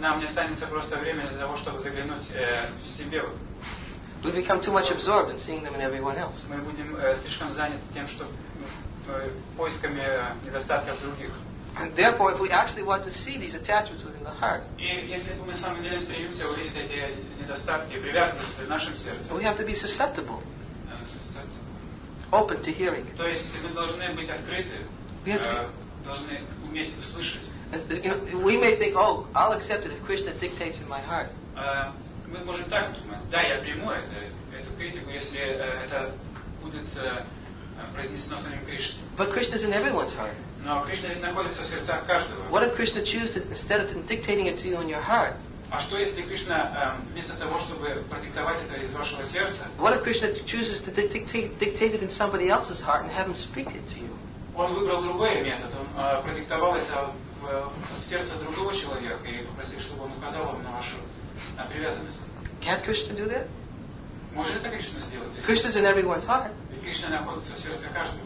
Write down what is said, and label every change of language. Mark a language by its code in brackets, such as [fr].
[ru] Нам не останется просто времени для того, чтобы заглянуть в себе. [en] We become too much absorbed in seeing them in everyone else. [ru] Мы будем слишком заняты тем, что поисками недостатков других. [en] And therefore, if we actually want to see these attachments within the heart, we have to be susceptible, open to hearing. [ru] То есть мы должны быть открыты, должны уметь услышать. [en] We may think, oh, I'll accept it if Krishna dictates in my heart. [ru] Мы можем так думать. Да, я приму эту критику, если это будет произнесено самим Кришной. [en] But Krishna's in everyone's heart. [ru] Но Кришна ведь находится в сердцах каждого. [en] What if Krishna chooses instead of dictating it to you in your heart? [ru] А что если Кришна вместо того, чтобы продиктовать это из вашего сердца? [en] What if Krishna chooses to dictate it in somebody else's heart and have him speak it to you? [ru] Он выбрал другой метод. Он продиктовал это в сердце другого человека и попросил, чтобы он указал вам на вашу привязанность. [en] Can't Krishna do that? [ru] Может это Кришна сделать? [en] Krishna's in everyone's heart. [ru] Ведь Кришна находится в сердце каждого.